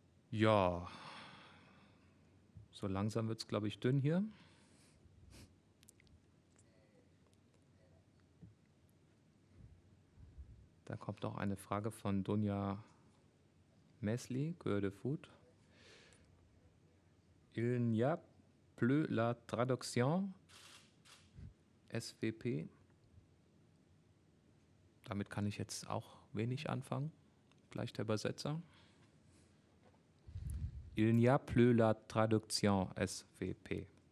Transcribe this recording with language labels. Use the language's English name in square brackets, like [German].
[German] Ja, so langsam wird es, glaube ich, dünn hier. Da kommt noch eine Frage von Dunja Mesli, Goethe Food. [French] Il n'y a plus la traduction, SVP. [German] Damit kann ich jetzt auch wenig anfangen, gleich der Übersetzer. [French] Il n'y a plus la traduction, SVP.